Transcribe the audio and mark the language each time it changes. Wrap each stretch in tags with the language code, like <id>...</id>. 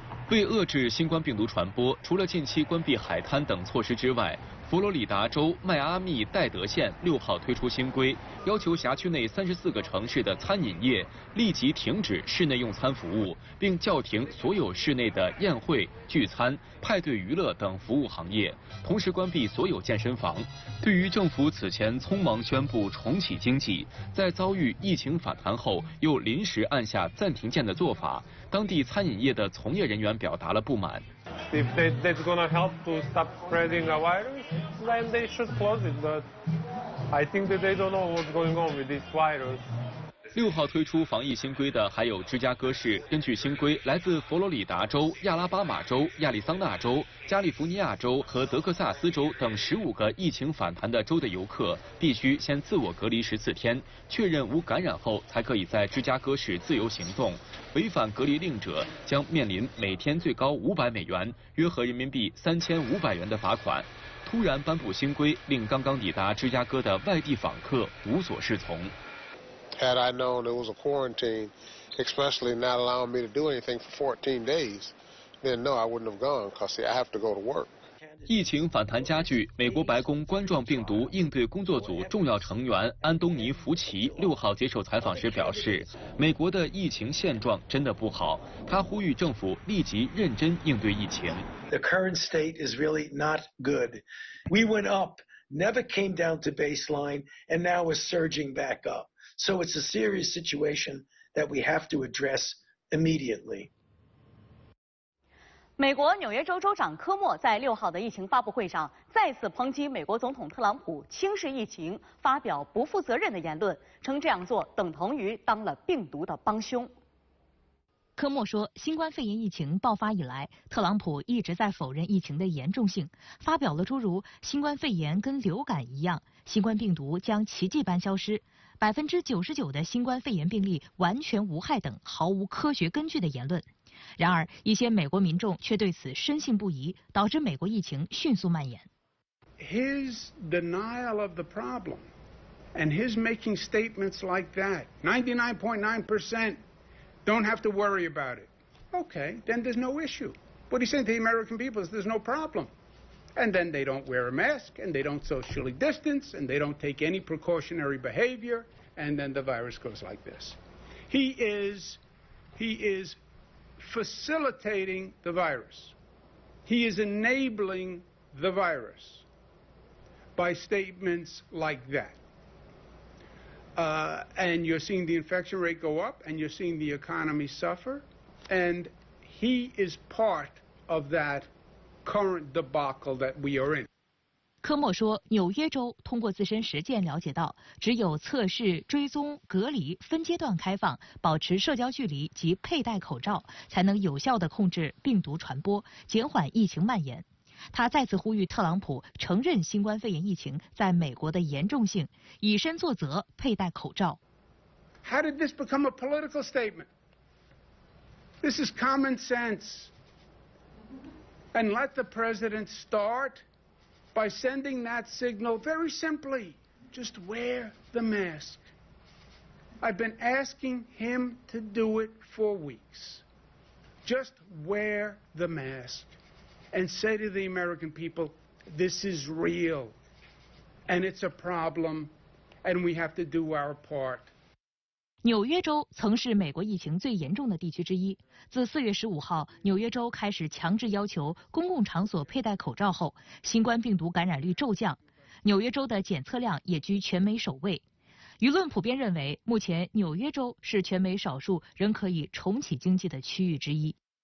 <zh>为遏制新冠病毒传播，除了近期关闭海滩等措施之外，佛罗里达州迈阿密戴德县6号推出新规，要求辖区内34个城市的餐饮业立即停止室内用餐服务，并叫停所有室内的宴会、聚餐、派对、娱乐等服务行业，同时关闭所有健身房。对于政府此前匆忙宣布重启经济，在遭遇疫情反弹后又临时按下暂停键的做法，当地餐饮业的从业人员表达了不满。</zh> <en>If that's gonna help to stop spreading a virus, then they should close it. But I think that they don't know what's going on with this virus.</en> <zh>六号推出防疫新规的还有芝加哥市。根据新规，来自佛罗里达州、亚拉巴马州、亚利桑那州、加利福尼亚州和德克萨斯州等15个疫情反弹的州的游客，必须先自我隔离14天，确认无感染后，才可以在芝加哥市自由行动。违反隔离令者将面临每天最高500美元（约合人民币3500元）的罚款。突然颁布新规，令刚刚抵达芝加哥的外地访客无所适从。</zh> <en>Had I known it was a quarantine, especially not allowing me to do anything for 14 days, then no, I wouldn't have gone, because see, I have to go to work.</en> <zh>疫情反弹加剧，美国白宫冠状病毒应对工作组重要成员安东尼·福奇六号接受采访时表示，美国的疫情现状真的不好。他呼吁政府立即认真应对疫情。</zh> <en>The current state is really not good. We went up, never came down to baseline, and now is surging back up. So it's a serious situation that we have to address immediately.</en> <zh>美国纽约州州长科莫在六号的疫情发布会上再次抨击美国总统特朗普轻视疫情，发表不负责任的言论，称这样做等同于当了病毒的帮凶。科莫说，新冠肺炎疫情爆发以来，特朗普一直在否认疫情的严重性，发表了诸如新冠肺炎跟流感一样，新冠病毒将奇迹般消失，99%的新冠肺炎病例完全无害等毫无科学根据的言论。然而，一些美国民众却对此深信不疑，导致美国疫情迅速蔓延。</zh> <en>His denial of the problem and his making statements like that, 99.9% don't have to worry about it. Okay, then there's no issue. What he's saying to the American people is there's no problem. And then they don't wear a mask and they don't socially distance and they don't take any precautionary behavior and then the virus goes like this. He is facilitating the virus. He is enabling the virus by statements like that. And you're seeing the infection rate go up, and you're seeing the economy suffer, and he is part of that current debacle that we are in.</en> <zh>科莫说，纽约州通过自身实践了解到，只有测试、追踪、隔离、分阶段开放、保持社交距离及佩戴口罩，才能有效地控制病毒传播，减缓疫情蔓延。他再次呼吁特朗普承认新冠肺炎疫情在美国的严重性，以身作则，佩戴口罩。</zh> <en>How did this become a political statement? This is common sense. And let the president start. By sending that signal, very simply, just wear the mask. I've been asking him to do it for weeks. Just wear the mask and say to the American people, this is real, and it's a problem, and we have to do our part.</en> <zh>纽约州曾是美国疫情最严重的地区之一。自4月15号，纽约州开始强制要求公共场所佩戴口罩后，新冠病毒感染率骤降，纽约州的检测量也居全美首位。舆论普遍认为，目前纽约州是全美少数仍可以重启经济的区域之一。</zh>